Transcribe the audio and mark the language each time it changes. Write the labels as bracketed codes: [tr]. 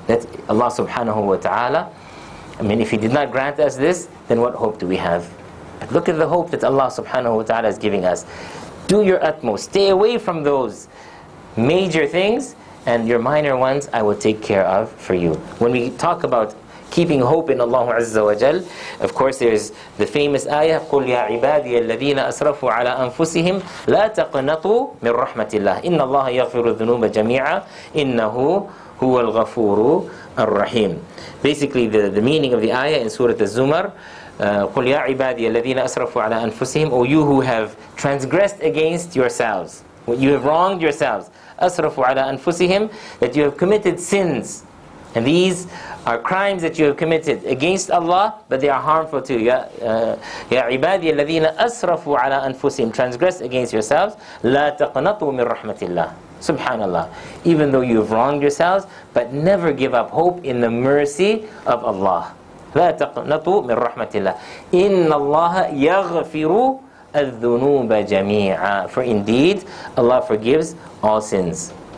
[en] That Allah subhanahu wa ta'ala, I mean, if He did not grant us this, then what hope do we have? But look at the hope that Allah subhanahu wa ta'ala is giving us. Do your utmost. Stay away from those major things, and your minor ones I will take care of for you. When we talk about keeping hope in Allah Azza wa Jal. Of course, there is the famous ayah, [ar] قُلْ يَا عِبَادِيَ الَّذِينَ أَسْرَفُوا عَلَىٰ أَنفُسِهِمْ لَا تَقْنَطُوا مِنْ رَحْمَةِ اللَّهِ إِنَّ اللَّهَ يَغْفِرُ الذُّنُوبَ جَمِيعًا إِنَّهُ هُوَ الْغَفُورُ الرَّحِيمُ. [en] Basically, the meaning of the ayah in Surah Az-Zumar, [ar] قُلْ يَا عِبَادِيَ الَّذِينَ أَسْرَفُوا عَلَىٰ أَنفُسِهِمْ, [en] or you who have transgressed against yourselves, what you have wronged yourselves, [ar] أَسْرَفُوا عَلَىٰ أَنفُسِهِمْ, [en] that you have committed sins. And these are crimes that you have committed against Allah, but they are harmful to you. [ar] يَا عِبَادِيَ الَّذِينَ أَسْرَفُوا عَلَىٰ أَنفُسِهِمْ, [en] transgressed against yourselves, [ar] لَا تَقْنَطُوا مِنْ رَحْمَةِ اللَّهِ. Subhanallah. [en] Even though you have wronged yourselves, but never give up hope in the mercy of Allah. [ar] لَا تَقْنَطُوا مِنْ رَحْمَةِ اللَّهِ. إِنَّ اللَّهَ يَغْفِرُ الذُّنُوبَ جَمِيعًا. [en] For indeed, Allah forgives all sins.